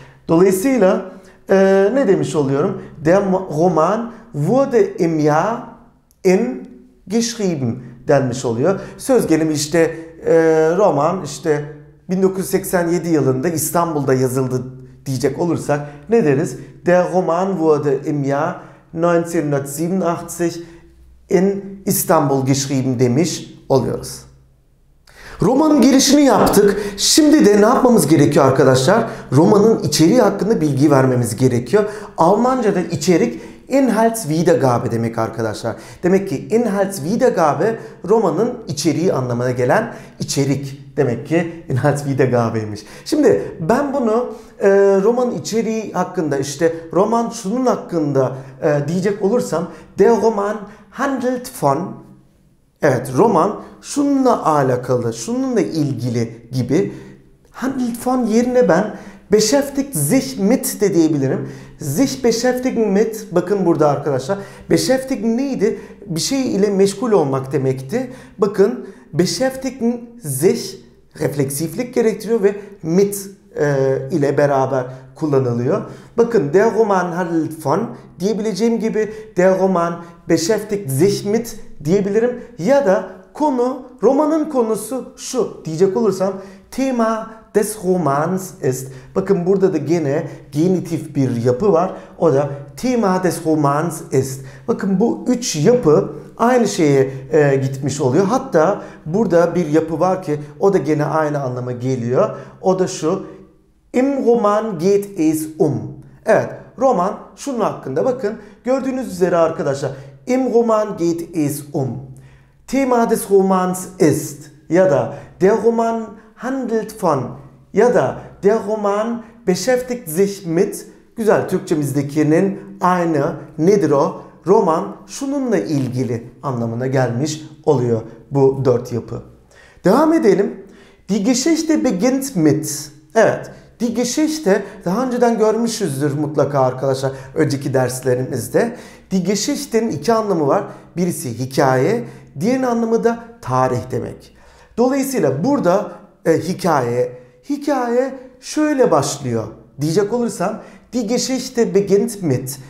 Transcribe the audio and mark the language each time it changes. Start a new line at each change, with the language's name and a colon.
Turkish: Dolayısıyla ne demiş oluyorum?
German: Der Roman wurde im Jahr in geschrieben
Turkish: denmiş oluyor. Söz gelimi işte roman işte 1987 yılında İstanbul'da yazıldı diyecek olursak ne deriz?
German: Der Roman wurde im Jahr 1987 in İstanbul geschrieben
Turkish: demiş oluyoruz. Romanın girişini yaptık. Şimdi de ne yapmamız gerekiyor arkadaşlar? Romanın içeriği hakkında bilgi vermemiz gerekiyor. Almanca'da içerik Inhaltswiedergabe demek arkadaşlar. Demek ki Inhaltswiedergabe romanın içeriği anlamına gelen içerik. Demek ki Inhaltswiedergabe'ymiş. Şimdi ben bunu romanın içeriği hakkında işte roman şunun hakkında diyecek olursam
German: Der Roman handelt von,
Turkish: evet roman şununla alakalı, şununla ilgili gibi handelt von yerine ben
German: beschäftigt sich mit
Turkish: de diyebilirim. Sich beschäftigen mit, bakın burada arkadaşlar. Beschäftigen neydi? Bir şey ile meşgul olmak demekti. Bakın,
German: beschäftigen sich
Turkish: refleksiflik gerektiriyor ve mit ile beraber kullanılıyor. Bakın,
German: der Roman handelt von
Turkish: diyebileceğim gibi
German: der Roman beschäftigt sich mit
Turkish: diyebilirim. Ya da konu, romanın konusu şu diyecek olursam
German: Thema des Romans ist.
Turkish: Bakın burada da gene genitif bir yapı var. O da
German: Thema des Romans ist.
Turkish: Bakın bu üç yapı aynı şeye gitmiş oluyor. Hatta burada bir yapı var ki o da gene aynı anlama geliyor. O da şu.
German: Im Roman geht es um.
Turkish: Evet, roman şunun hakkında. Bakın gördüğünüz üzere arkadaşlar.
German: Im Roman geht es um. Thema des Romans ist. Ya da der Roman handelt von ya da der Roman beschäftigt sich mit,
Turkish: güzel Türkçemizdekinin aynı, nedir o? Roman şununla ilgili anlamına gelmiş oluyor bu dört yapı. Devam edelim.
German: Die Geschichte beginnt mit.
Turkish: Evet, die Geschichte daha önceden görmüşüzdür mutlaka arkadaşlar önceki derslerimizde. Die Geschichte'nin iki anlamı var. Birisi hikaye, diğer anlamı da tarih demek. Dolayısıyla burada hikaye şöyle başlıyor diyecek olursam
German: Die Geschichte beginnt mit.